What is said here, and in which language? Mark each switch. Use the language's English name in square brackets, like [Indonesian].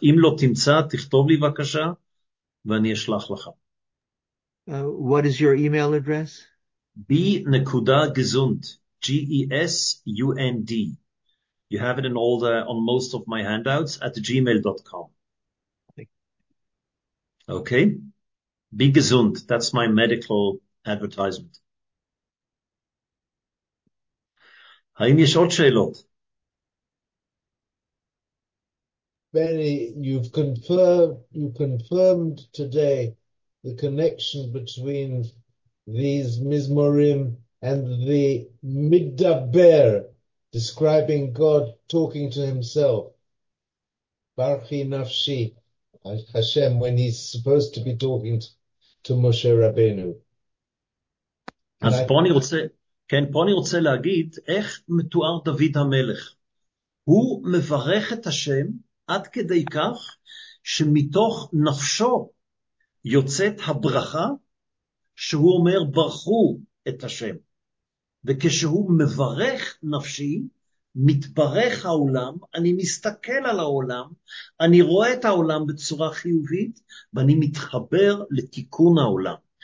[Hebrew] אם לא תמצא, תכתוב לי בבקשה, ואני אשלח לך. [English] What is your email address? b.gesund, G-E-S-U-N-D. You have it in all the, on most of my handouts at gmail.com. Okay. Be gesund. That's my medical advertisement. [Hebrew] האם יש עוד שאלות? [English] Benny, you've confirmed today the connection between these mizmorim and the midaber, describing God talking to himself, Barchi Nafshi Hashem, when he's supposed to be talking to Moshe Rabbeinu. [Hebrew] אז פה אני רוצה, כן, פה אני רוצה להגיד איך מתואר דוד המלך. הוא מברך את השם עד כדי כך שמתוך נפשו יוצאת הברכה שהוא אומר ברכו את השם. וכשהוא מברך נפשי, מתברך העולם, אני מסתכל על העולם, אני רואה את העולם בצורה חיובית, ואני מתחבר לתיקון העולם.